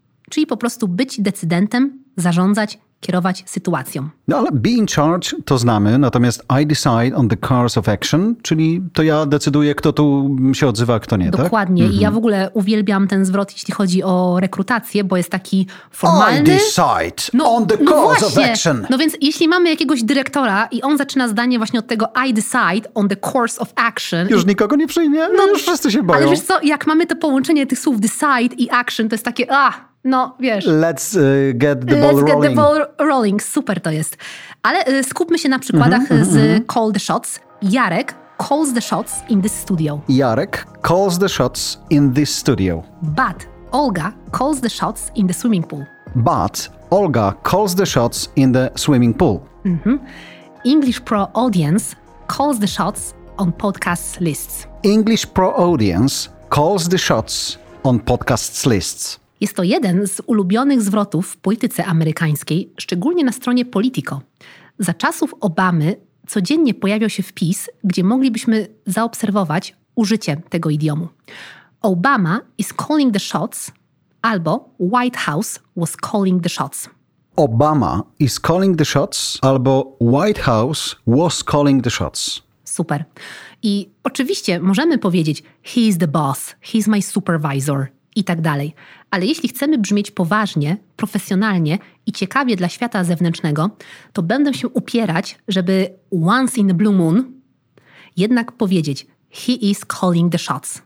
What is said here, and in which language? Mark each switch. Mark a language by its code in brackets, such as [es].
[pl] Czyli po prostu być decydentem, zarządzać, kierować sytuacją. No ale [en] be in charge [pl] to znamy, natomiast [en] I decide on the course of action, [pl] czyli to ja decyduję, kto tu się odzywa, kto nie, dokładnie. Dokładnie. Mm-hmm. I ja w ogóle uwielbiam ten zwrot, jeśli chodzi o rekrutację, bo jest taki formalny. [en] I decide on the course of action. [pl] No więc jeśli mamy jakiegoś dyrektora i on zaczyna zdanie właśnie od tego [en] I decide on the course of action. [pl] Już nikogo nie przyjmie, no, już wszyscy się boją. Ale wiesz co, jak mamy to połączenie tych słów decide i action, to jest takie No, wiesz. [en] Let's get the ball rolling. [pl] Super to jest. Ale skupmy się na przykładach z [en] call the shots. Jarek calls the shots in this studio. Jarek calls the shots in this studio. But Olga calls the shots in the swimming pool. But Olga calls the shots in the swimming pool. Mm-hmm. English Pro audience calls the shots on podcast lists. English Pro audience calls the shots on podcast lists. [pl] Jest to jeden z ulubionych zwrotów w polityce amerykańskiej, szczególnie na stronie Politico. Za czasów Obamy codziennie pojawiał się wpis, gdzie moglibyśmy zaobserwować użycie tego idiomu. [en] Obama is calling the shots albo White House was calling the shots. Obama is calling the shots, albo White House was calling the shots. [pl] Super. I oczywiście możemy powiedzieć [en] he is the boss, he is my supervisor [pl] i tak dalej. Ale jeśli chcemy brzmieć poważnie, profesjonalnie i ciekawie dla świata zewnętrznego, to będę się upierać, żeby [en] once in a blue moon [pl] jednak powiedzieć [en] he is calling the shots.